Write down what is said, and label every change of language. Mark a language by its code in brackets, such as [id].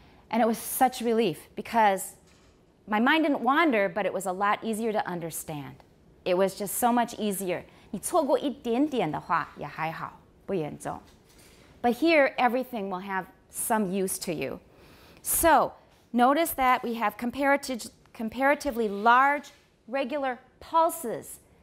[en] And it was such relief because my mind didn't wander, but it was a lot easier to understand. It was just so much easier. [zh] 你错过一点点的话也还好,不严重. [en] But here, everything will have... some use to you. So notice that we have comparatively large regular pulses.